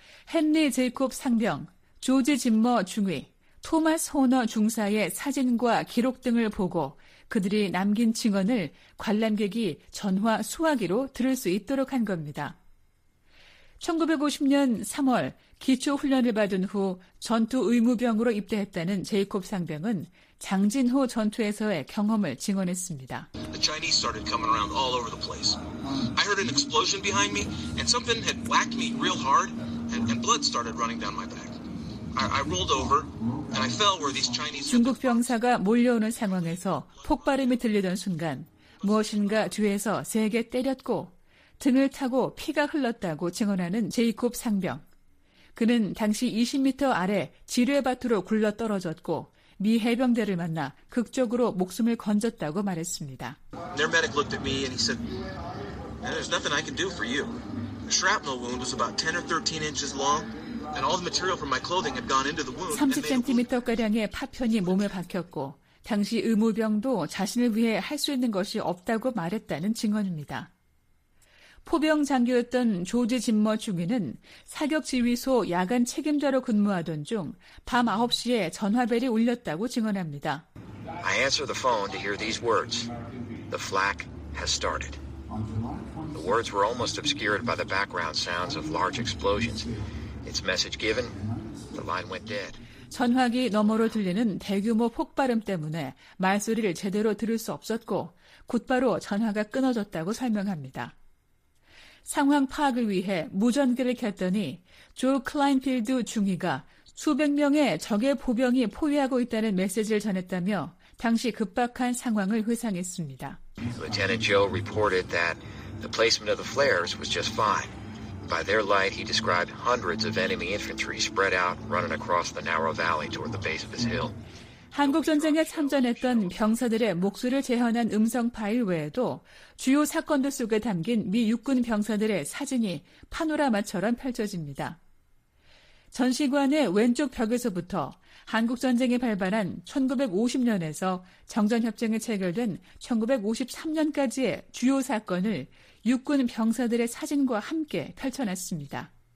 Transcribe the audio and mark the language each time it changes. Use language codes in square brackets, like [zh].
[ko] 헨리 제이콥 상병, 조지 짐머 중위, 토마스 호너 중사의 사진과 기록 등을 보고 그들이 남긴 증언을 관람객이 전화 수화기로 들을 수 있도록 한 겁니다. 1950년 3월 기초훈련을 받은 후 전투 의무병으로 입대했다는 제이콥 상병은 장진호 전투에서의 경험을 증언했습니다. [en] The Chinese started coming around all over the place. I heard an explosion behind me and something had whacked me real hard and blood started running down my back. I rolled over and I fell where these Chinese [ko] 중국 병사가 몰려오는 상황에서 폭발음이 들리던 순간 무엇인가 뒤에서 세게 때렸고 등을 타고 피가 흘렀다고 증언하는 제이콥 상병. 그는 당시 20m 아래 지뢰밭으로 굴러떨어졌고 미 해병대를 만나 극적으로 목숨을 건졌다고 말했습니다. [en] Their medic looked at me and he said, "There's nothing I can do for you. The shrapnel wound was about 10 or 13 inches long and all the material from my clothing had gone into the wound." [ko] 30cm 가량의 파편이 몸에 박혔고 당시 의무병도 자신을 위해 할 수 있는 것이 없다고 말했다는 증언입니다. 포병 장교였던 조지 짐머 중위는 사격지휘소 야간 책임자로 근무하던 중 밤 9시에 전화벨이 울렸다고 증언합니다. [en] I answer the phone to hear these words. The flak has started. The words were almost obscured by the background sounds of large explosions. Its message given, the line went dead. [ko] 전화기 너머로 들리는 대규모 폭발음 때문에 말소리를 제대로 들을 수 없었고 곧바로 전화가 끊어졌다고 설명합니다. 상황 파악을 위해 무전기를 켰더니 조 클라인필드 중위가 수백 명의 적의 보병이 포위하고 있다는 메시지를 전했다며 당시 급박한 상황을 회상했습니다. [en] Lieutenant Joe reported that the placement of the flares was just fine. By their light, he described hundreds of enemy infantry spread out running across the narrow valley toward the base of his hill. [ko] 한국전쟁에 참전했던 병사들의 목소리를 재현한 음성 파일 외에도 주요 사건들 속에 담긴 미 육군 병사들의 사진이 파노라마처럼 펼쳐집니다. 전시관의 왼쪽 벽에서부터 한국전쟁이 발발한 1950년에서 정전협정이 체결된 1953년까지의 주요 사건을 육군 병사들의 사진과 함께 펼쳐놨습니다.